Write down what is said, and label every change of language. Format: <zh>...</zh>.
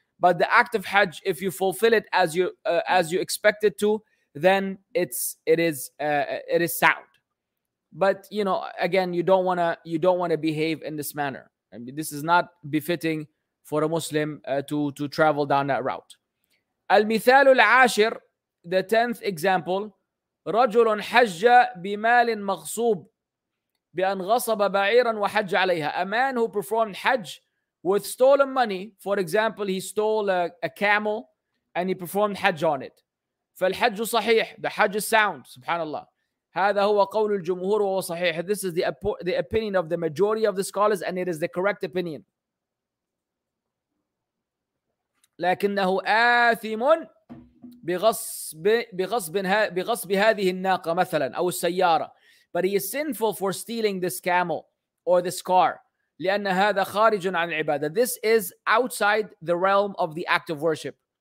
<en>But the act of Hajj, if you fulfill it as you expect it to, then it is sound. But you know, again, you don't wanna behave in this manner. I mean, this is not befitting for a Muslim to travel down that route.</en> <ar>Al-mithal al-ashir,</ar> <en>the 10th example.</en> <ar>رجل حج بمال مغصوب بأن غصب بعيرا وحج عليها.</ar> <en>A man who performed Hajj with stolen money. For example, he stole a camel and he performed Hajj on it.</en> <ar>فالحج صحيح.</ar> <en>The Hajj is sound.</en> <ar>سبحان الله. هذا هو قول الجمهور وهو صحيح.</ar> <en>This is the opinion of the majority of the scholars, and it is the correct opinion.</en> <ar>لكنه آثم بغصب هذه الناقة مثلا أو السيارة.</ar> <en>But he is sinful for stealing this camel or this car.</en> <ar>لأن هذا خارج عن العبادة.</ar> <en>This is outside the realm of the act of worship.</en>